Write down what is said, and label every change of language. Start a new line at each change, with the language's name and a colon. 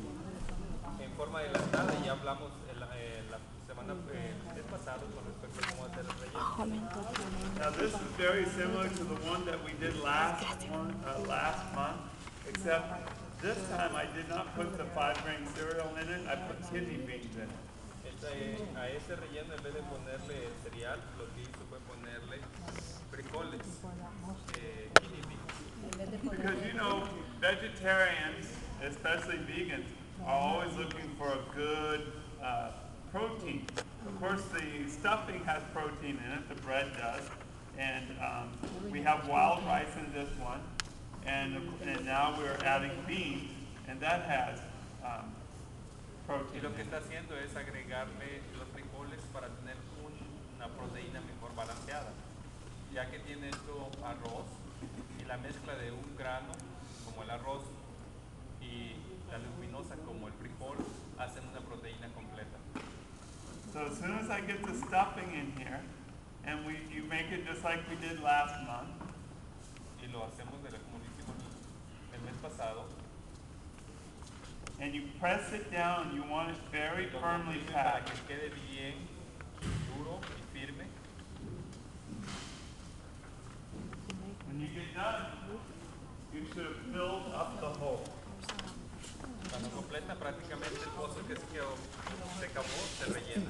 Spanish: En forma de la tarde ya hablamos la semana pasada con respecto a cómo hacer el relleno.
English: Now this is very similar to the one that we did last month, except this time I did not put the 5-grain cereal in it, I put kidney beans in it.
Spanish: A ese relleno en vez de ponerle cereal, lo que hizo fue ponerle frijoles, kidney beans.
English: Because you know, vegetarians, especially vegans, are always looking for a good protein. Of course, the stuffing has protein in it, the bread does, and we have wild rice in this one, and now we're adding beans, and that has protein.
Spanish: Y lo que está haciendo es agregarle los frijoles para tener una proteína mejor balanceada, ya que tiene esto arroz, y la mezcla de un grano, como el arroz, y la leguminosa como el frijol hacen una proteína completa.
English: So as soon as I get the stuffing in here, and you make it just like we did last month.
Spanish: Y lo hacemos de la como hicimos el mes pasado.
English: And you press it down. You want it very firmly packed.
Spanish: Para que quede bien duro y firme.
English: When you get done, you should have filled up the hole.
Spanish: Cuando completa prácticamente el pozo que se quedó, se acabó, se rellena.